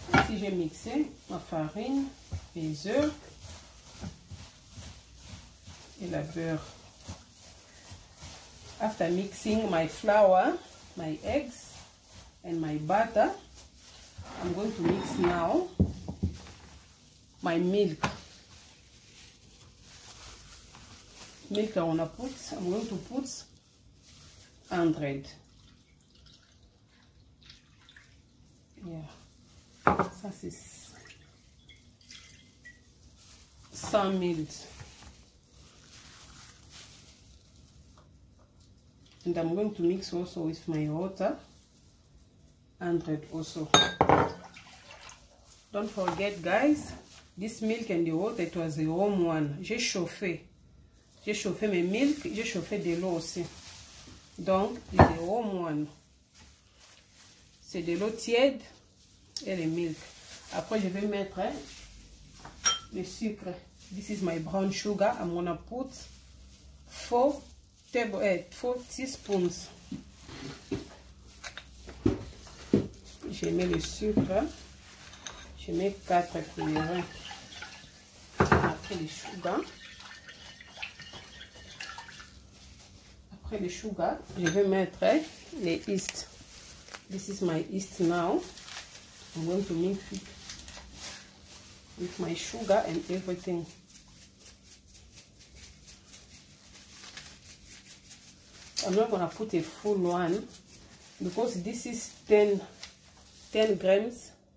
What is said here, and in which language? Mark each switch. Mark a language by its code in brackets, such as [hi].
[fr] J'ai mixé ma farine, les œufs et la beurre. [en] After mixing my flour, my eggs and my butter, I'm going to mix now my milk. Milk I wanna put, I'm going to put 100. [fr] Yeah. Ça c'est 100 ml. [en] And I'm going to mix also with my water. 100 also. Don't forget guys, this milk and the water, it was a warm one. [fr] J'ai chauffé. J'ai chauffé mes milk, j'ai chauffé de l'eau aussi. Donc, [en] it's a warm one. [fr] C'est de l'eau tiède. Et le milk. Après, je vais mettre le sucre. [en] This is my brown sugar. I'm gonna put 4 teaspoons. [fr] Je mets le sucre. Je mets 4 cuillères. Après, le sugar. Après, près de sugar, je vais mettre les yeast. [en] This is my yeast now. I'm going to mix it with my sugar and everything. I'm not going to put a full one because this is 10 grams.